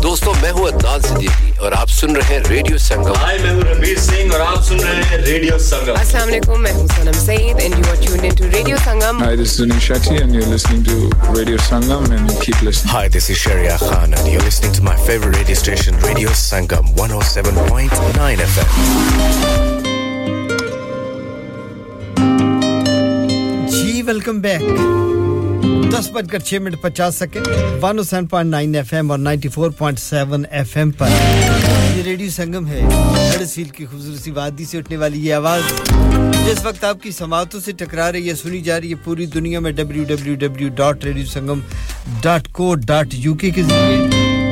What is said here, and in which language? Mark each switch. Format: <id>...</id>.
<hi>दोस्तों मैं हूँ अदनान सिद्दीकी और आप सुन रहे हैं Radio Sangam. Hi, मैं हूँ रणबीर सिंह और आप सुन रहे हैं Radio Sangam.</hi> <en>Assalamualaikum.</en> <hi>मैं हूँ</hi> <en>सनम सईद and you are tuned into Radio Sangam. Hi, this is Anish Shetty and you're listening to Radio Sangam and keep listening. Hi, this is Sharia Khan and you're listening to my favorite radio station Radio Sangam 107.9 FM.</en> <hi>Welcome back 10:06:50 107.9 FM और 94.7 FM पर ये radio संगम है हडसील की खूबसूरती वादी से उठने वाली ये आवाज जिस वक्त आपकी समातों से टकरा रही है सुनी जा रही है पूरी दुनिया में www.radiosangam.co.uk के जरिए</hi>